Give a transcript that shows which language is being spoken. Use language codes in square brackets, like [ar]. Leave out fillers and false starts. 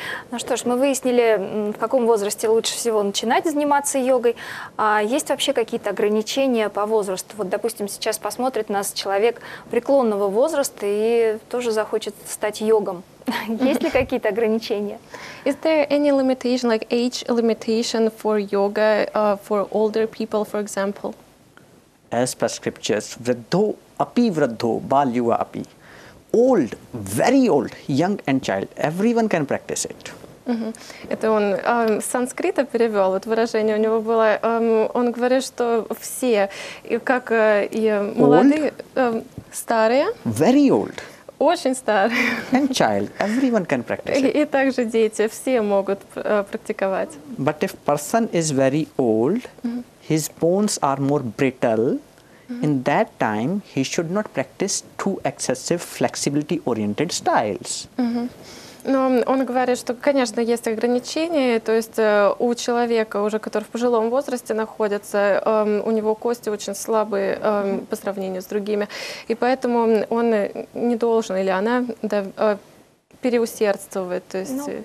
[ru] Ну что ж, мы выяснили, в каком возрасте лучше всего начинать заниматься йогой. А есть вообще какие-то ограничения по возрасту? Вот, допустим, сейчас посмотрит нас человек преклонного возраста и тоже захочет стать йогом. Есть ли какие-то ограничения? [en] Is there any limitation, like age limitation for yoga, for older people, for example? As per scriptures, [sa] vriddho api vriddho balyuva api. [en] Old, very old, young and child, everyone can practice it. [ru] Это он с санскрита перевел. Вот выражение у него было. Он говорит, что все, как и молодые, старые. [en] Very old. [ru] Очень старые. [en] And child, everyone can practice it. [ru] И также дети, все могут практиковать. [en] But if person is very old, his bones are more brittle. In that time, he should not practice too excessive flexibility-oriented styles. [ru] Но он говорит, что, конечно, есть ограничения, то есть у человека уже, который в пожилом возрасте находится, у него кости очень слабые по сравнению с другими, и поэтому он не должен, или она, да, переусердствовать, то есть...